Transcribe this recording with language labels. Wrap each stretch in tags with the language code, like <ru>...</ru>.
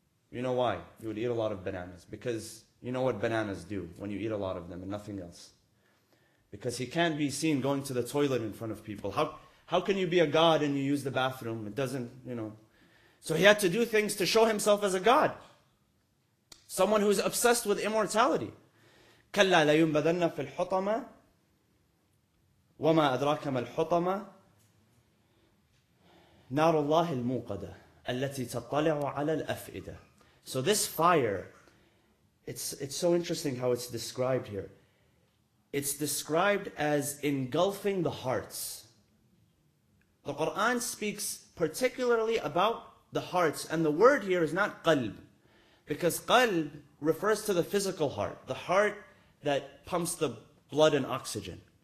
<en>You know why he would eat a lot of bananas? Because you know what bananas do when you eat a lot of them and nothing else. Because he can't be seen going to the toilet in front of people. How can you be a god and you use the bathroom? It doesn't, you know. So he had to do things to show himself as a god. Someone who's obsessed with immortality.</en> <ar>كَلَّا لَيُنْبَذَنَّ فِي الْحُطَمَةِ وَمَا أَدْرَاكَ مَا الْحُطَمَةِ نَارُ اللَّهِ الْمُوْقَدَةِ الَّتِي تَطَّلِعُ عَلَى الْأَفْئِدَةِ</ar> <en>So this fire, it's so interesting how it's described here. It's described as engulfing the hearts. The Quran speaks particularly about the hearts, and the word here is not qalb, because qalb refers to the physical heart, the heart that pumps the blood and oxygen.</en>